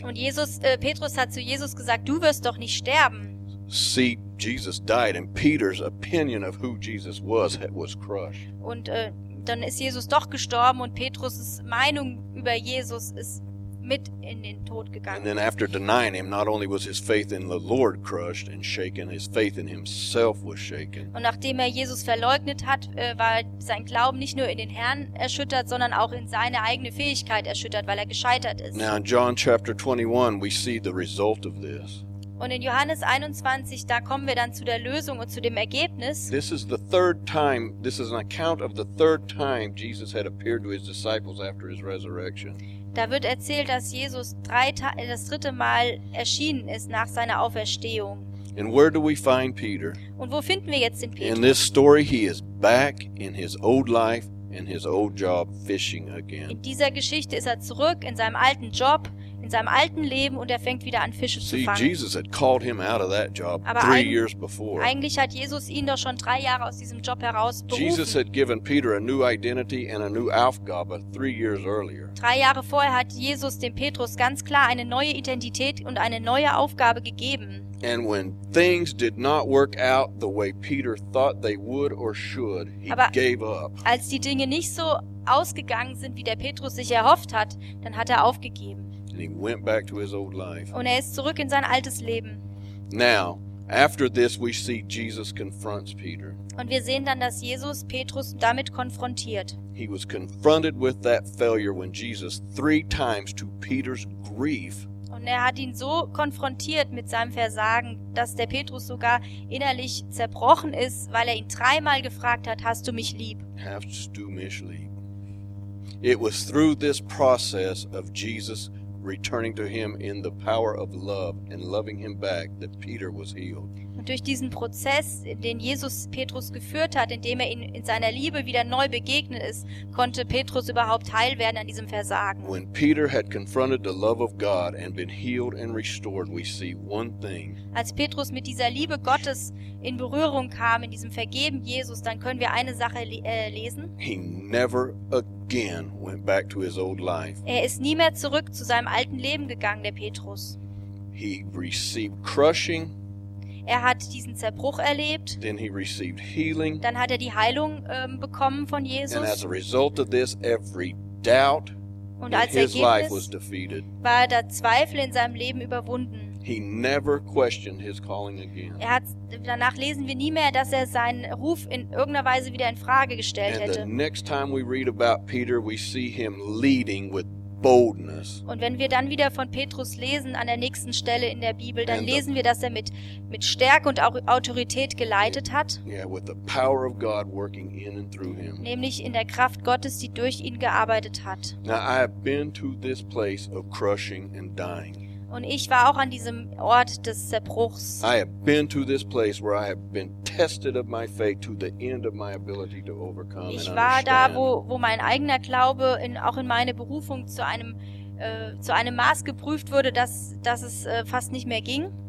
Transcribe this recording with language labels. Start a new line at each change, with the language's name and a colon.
German: Und Petrus hat zu Jesus gesagt, du wirst doch nicht sterben.
English: See, Jesus died, and Peter's opinion of who Jesus was crushed.
German: Und dann ist Jesus doch gestorben, und Petrus' Meinung über Jesus ist mit in den Tod gegangen.
English: And then after denying him, not only was his faith in the Lord crushed and shaken, his faith in himself was shaken.
German: Und nachdem er Jesus verleugnet hat, war sein Glauben nicht nur in den Herrn erschüttert, sondern auch in seine eigene Fähigkeit erschüttert, weil er gescheitert ist.
English: Now in John chapter 21, we see the result of this.
German: Und in Johannes 21, da kommen wir dann zu der Lösung und zu dem Ergebnis.
English: This is the third time, this is an account of the third time Jesus had appeared to his disciples after his resurrection.
German: Da wird erzählt, dass Jesus das dritte Mal erschienen ist nach seiner Auferstehung.
English: And where do we find Peter?
German: Und wo finden wir jetzt den Petrus?
English: In this story he is back in his old life and his old job fishing again.
German: In dieser Geschichte ist er zurück in seinem alten Job, in seinem alten Leben, und er fängt wieder an, Fische
English: See,
German: zu fangen.
English: Jesus had called him out of that job years before.
German: Eigentlich hat Jesus ihn doch schon 3 Jahre aus diesem Job heraus berufen.
English: Jesus had given Peter a new identity and a new Aufgabe 3 years earlier.
German: 3 Jahre vorher hat Jesus dem Petrus ganz klar eine neue Identität und eine neue Aufgabe gegeben.
English: And when things did not work out the way Peter thought they would or should, gave up.
German: Als die Dinge nicht so ausgegangen sind, wie der Petrus sich erhofft hat, dann hat er aufgegeben.
English: And he went back to his old life.
German: Und er ist zurück in sein altes Leben.
English: Now, after this, we see Jesus confronts Peter.
German: Und wir sehen dann, dass Jesus Petrus damit konfrontiert.
English: He was confronted with that failure when Jesus 3 times to Peter's grief.
German: Und er hat ihn so konfrontiert mit seinem Versagen, dass der Petrus sogar innerlich zerbrochen ist, weil er ihn 3 Mal gefragt hat, hast du mich lieb? Hast du mich lieb?
English: It was through this process of Jesus returning to him in the power of love and loving him back that Peter was healed.
German: Und durch diesen Prozess, den Jesus Petrus geführt hat, indem er ihn in seiner Liebe wieder neu begegnet ist, konnte Petrus überhaupt heil werden an diesem Versagen.
English: When Peter had confronted the love of God and been healed and restored, we see one thing.
German: Als Petrus mit dieser Liebe Gottes in Berührung kam, in diesem vergeben Jesus, dann können wir eine Sache lesen.
English: He never again went back to his old life.
German: Er ist nie mehr zurück zu seinem alten Leben gegangen, der Petrus.
English: He received crushing.
German: Er hat diesen Zerbruch erlebt.
English: Then he received healing.
German: Dann hat er die Heilung bekommen von Jesus.
English: And as a result of this, every doubt in his life was defeated.
German: War der Zweifel in seinem Leben überwunden.
English: He never questioned his calling again.
German: Er hat, danach lesen wir nie mehr, dass er seinen Ruf in irgendeiner Weise wieder in Frage gestellt
English: and
German: hätte.
English: The next time we read about Peter, we see him leading with boldness.
German: Und wenn wir dann wieder von Petrus lesen an der nächsten Stelle in der Bibel, dann lesen wir, dass er mit Stärke und auch Autorität geleitet hat.
English: Yeah, with the power of God working in and through him.
German: Nämlich in der Kraft Gottes, die durch ihn gearbeitet hat.
English: Now I have been to this place of crushing and dying.
German: Und ich war auch an diesem Ort des Zerbruchs.
English: I have been to this place where I have been tested of my faith to the end of my ability to overcome.
German: Ich war da, wo mein eigener Glaube auch in meine Berufung zu einem Maß geprüft wurde, dass es fast nicht mehr ging.